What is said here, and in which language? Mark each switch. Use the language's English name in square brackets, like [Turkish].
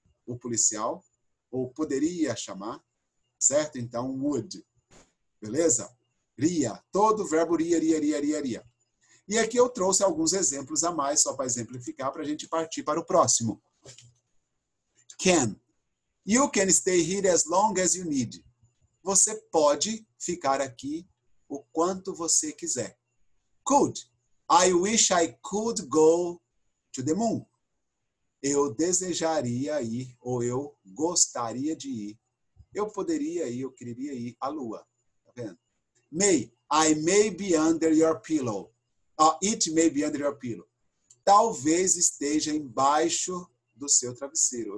[Portuguese] o policial, ou poderia chamar, certo? Então, would, beleza? Ria, todo verbo ria. E aqui eu trouxe alguns exemplos a mais, só para exemplificar, para a gente partir para o próximo. [English] Can. You can stay here as long as you need. [Portuguese] Você pode ficar aqui o quanto você quiser. [English] Could. I wish I could go to the moon. [Portuguese] Eu desejaria ir, ou eu gostaria de ir. Eu poderia ir, eu queria ir à lua. Tá vendo? [English] May. I may be under your pillow. It may be under your pillow. [Portuguese] Talvez esteja embaixo do seu travesseiro.